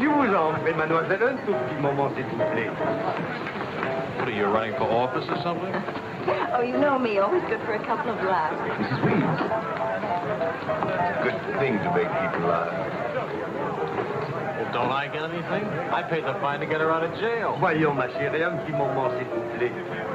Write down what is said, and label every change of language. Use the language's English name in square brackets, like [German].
[French] Je vous en prie, mademoiselle, un tout petit moment, s'il vous plaît. [English] What, are you running for office or something? Oh, you know me. Always good for a couple of laughs. Mrs. Weeds. Good thing to make people laugh. Well, don't I get anything? I paid the fine to get her out of jail. [French] Voyons, ma chérie, un petit moment, s'il vous plaît.